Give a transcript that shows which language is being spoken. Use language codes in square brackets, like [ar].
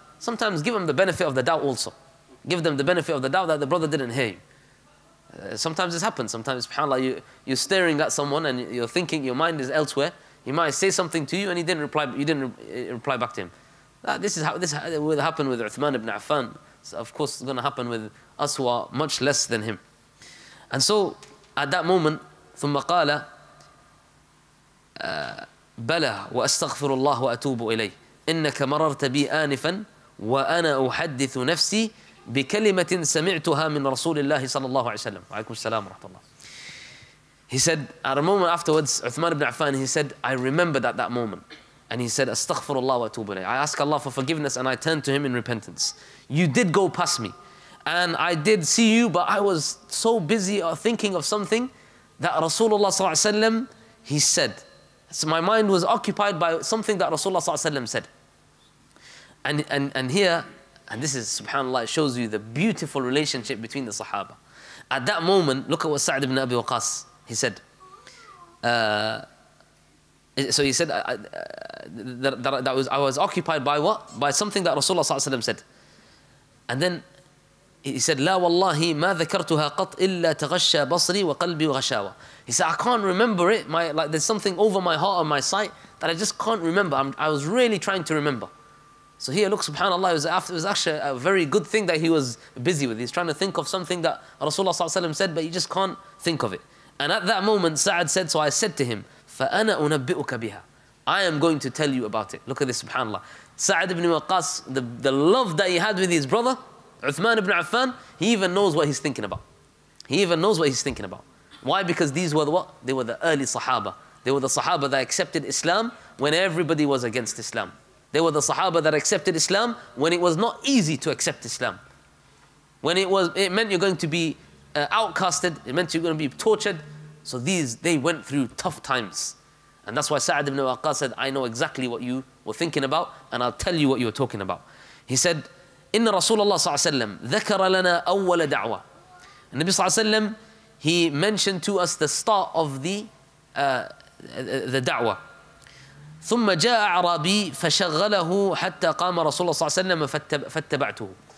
[en] Sometimes give him the benefit of the doubt also. Give them the benefit of the doubt that the brother didn't hear you. Sometimes this happens. Sometimes, SubhanAllah, you're staring at someone and you're thinking your mind is elsewhere. He might say something to you and you didn't reply back to him. This will happen with Uthman ibn Affan. So of course, it's going to happen with us who are much less than him. And so, at that moment, [ar] ثم قال بلى وأستغفر الله وأتوب إليه إنك مررت بي آنفا وأنا أحدث نفسي بكلمة سمعتها من رسول الله صلى الله عليه وسلم. وعليكم السلام ورحمة الله. [en] He said, at a moment afterwards, Uthman ibn Affan, he said, I remembered at that moment. And he said, [ar] أستغفر الله وأتوب إليه. [en] I ask Allah for forgiveness and I turn to him in repentance. You did go past me. And I did see you, but I was so busy thinking of something that Rasulullah sallallahu alaihi wasallam, he said. So my mind was occupied by something that Rasulullah sallallahu alaihi wasallam said. And here, and this is, subhanAllah, it shows you the beautiful relationship between the Sahaba. At that moment, look at what Sa'd ibn Abi Waqqas, he said. So he said I was occupied by what? By something that Rasulullah sallallahu alaihi wasallam said. And then, he said, [ar] لا والله ما ذكرتها قط إلا تغشى بصري وقلبي غشاوة. [en] He said, I can't remember it. There's something over my heart or my sight that I just can't remember. I was really trying to remember. So here, look, subhanAllah, it was actually a very good thing that he was busy with. He's trying to think of something that Rasulullah صلى الله عليه وسلم said, but he just can't think of it. And at that moment, Sa'ad said, so I said to him, [ar] فَأَنَا أُنَبِّئُكَ بِهَا. [en] I am going to tell you about it. Look at this, subhanAllah. Sa'ad ibn Waqqas, the love that he had with his brother, Uthman ibn Affan, he even knows what he's thinking about. He even knows what he's thinking about. Why? Because these were the what? They were the early Sahaba. They were the Sahaba that accepted Islam when everybody was against Islam. They were the Sahaba that accepted Islam when it was not easy to accept Islam. When it meant you're going to be outcasted, it meant you're going to be tortured. So they went through tough times. And that's why Sa'd ibn Waqqas said, I know exactly what you were thinking about and I'll tell you what you were talking about. He said, [ar] إن رسول الله صلى الله عليه وسلم ذكر لنا أول دعوة. [en] النبي صلى الله عليه وسلم, he mentioned to us the start of the دعوة. [ar] ثم جاء عربي فشغله حتى قام رسول الله صلى الله عليه وسلم فاتبعته.